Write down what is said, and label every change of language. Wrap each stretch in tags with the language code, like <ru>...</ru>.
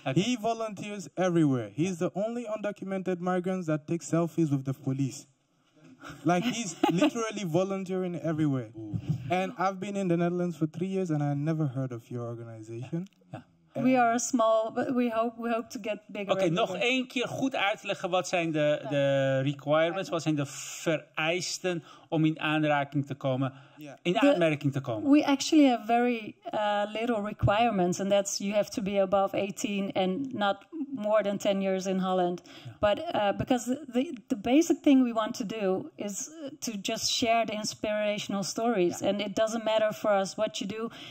<en>He volunteers everywhere. He's the only undocumented migrant that takes selfies with the police. Like, he's literally volunteering everywhere. Ooh. And I've been in the Netherlands for 3 years and I never heard of your organization. Yeah. We are small, but we hope to get bigger.</en> <nl>Oké, nog één keer goed uitleggen wat zijn de requirements, wat zijn de vereisten om in aanraking te komen, aanmerking te komen.</nl> <en>We actually have very little requirements, and that's you have to be above 18 and not more than 10 years in Holland. Yeah. But because the basic thing we want to do is to just share the inspirational stories, and it doesn't matter for us what you do.</en>